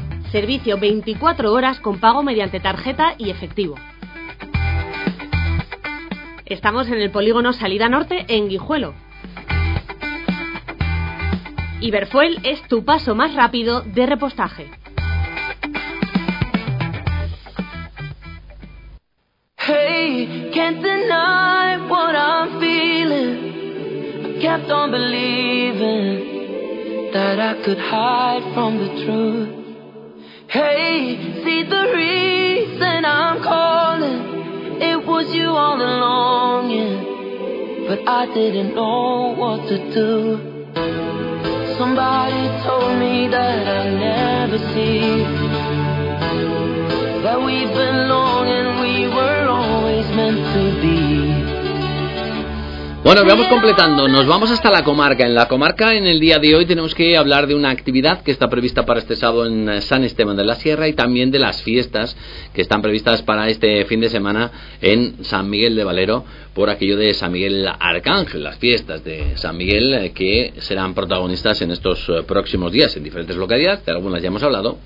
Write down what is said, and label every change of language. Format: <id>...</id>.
<es>Servicio 24 horas con pago mediante tarjeta y efectivo. Estamos en el polígono Salida Norte, en Guijuelo. Iberfuel es tu paso más rápido de repostaje.</es> <en>Hey, can't deny what I'm feeling. I kept on believing that I could hide from the truth. Hey, see the reason I'm calling. It was you all along, yeah. But I didn't know what to do. Somebody told me that I'd never see that we belong and we were always meant to be.</en> <es>Bueno, vamos completando, nos vamos hasta la comarca. En la comarca, en el día de hoy, tenemos que hablar de una actividad que está prevista para este sábado en San Esteban de la Sierra y también de las fiestas que están previstas para este fin de semana en San Miguel de Valero, por aquello de San Miguel Arcángel, las fiestas de San Miguel que serán protagonistas en estos próximos días en diferentes localidades, de algunas ya hemos hablado.</es>